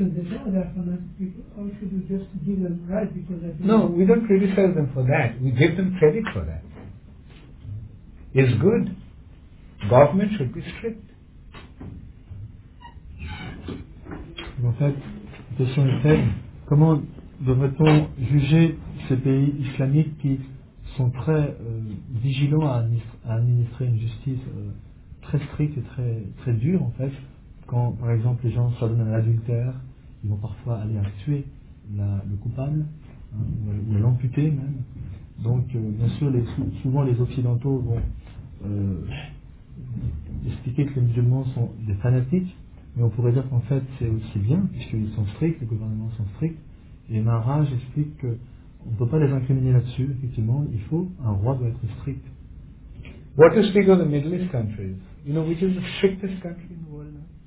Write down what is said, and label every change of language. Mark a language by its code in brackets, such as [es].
[en] What can we say about them? Should we criticize them, like the Muslims, or should we just give them right? Because no, we don't criticize them for that. We give them credit for that. It's good. Government should be strict. [fr] En fait, la question est telle, comment devrait-on juger ces pays islamiques qui sont très vigilants à administrer une justice très stricte et très, très dure, en fait, quand, par exemple, les gens s'adonnent à l'adultère, ils vont parfois aller à tuer le coupable, hein, ou à l'amputer même. Donc, bien sûr, souvent les Occidentaux vont expliquer que les musulmans sont des fanatiques, mais on pourrait dire qu'en fait, c'est aussi bien, puisqu'ils sont stricts, les gouvernements sont stricts. Et Maharaj explique qu'on ne peut pas les incriminer là-dessus, effectivement, il faut, un roi doit être strict. [en] What do you speak of the Middle East countries? You know, which is the strictest country in the world now?